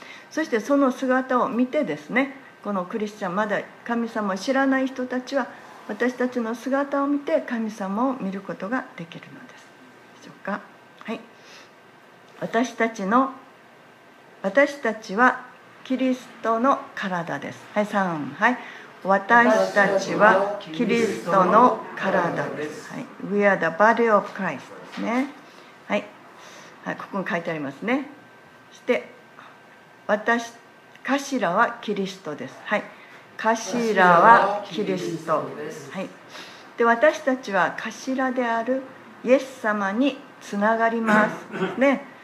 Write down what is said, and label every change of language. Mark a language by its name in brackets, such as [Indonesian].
[Japanese] そしてその姿を見てですね、このクリスチャン、まだ神様を知らない人たちは、私たちの姿を見て神様を見ることができるのです。でしょうか。はい、私たちはキリストの体です。はい、3、はい、私たちはキリストの体です。 [English] はい、 We are the body of Christ [Japanese] ですね。はい、はい、ここに書いてありますね。そして頭はキリストです。はい、頭はキリストです、はい、で私たちは頭であるイエス様につながりますね。